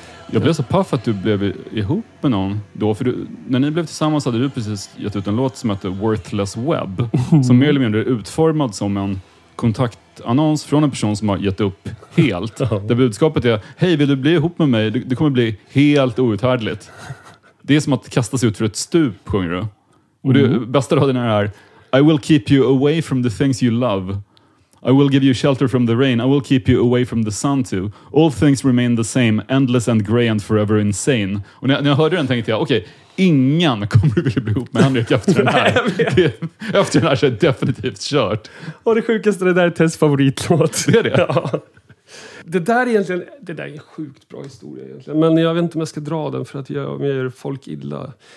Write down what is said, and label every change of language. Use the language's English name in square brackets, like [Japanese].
[Swedish] Jag blev så paff att du blev ihop med någon då. För när ni blev tillsammans hade du precis gett ut en låt som heter Worthless Web. Som mer eller mindre är utformad som en kontaktannons från en person som har gett upp helt. Där budskapet är, hej, vill du bli ihop med mig? Det kommer bli helt outhärdligt. Det är som att kasta sig ut för ett stup, sjunger du. Och det bästa raden är, [English] I will keep you away from the things you love. I will give you shelter from the rain. I will keep you away from the sun too. All things remain the same, endless and grey and forever insane. [Swedish] Och när jag hörde den tänkte jag, okej, ingen kommer vilja bli ihop med Henrik efter den här. Efter den här så är det definitivt kört. Och det sjukaste, det där är Tess favoritlåt. Det är det? Ja. Det där egentligen, det där är en sjukt bra historia egentligen. Men jag vet inte om jag ska dra den för att jag gör folk illa.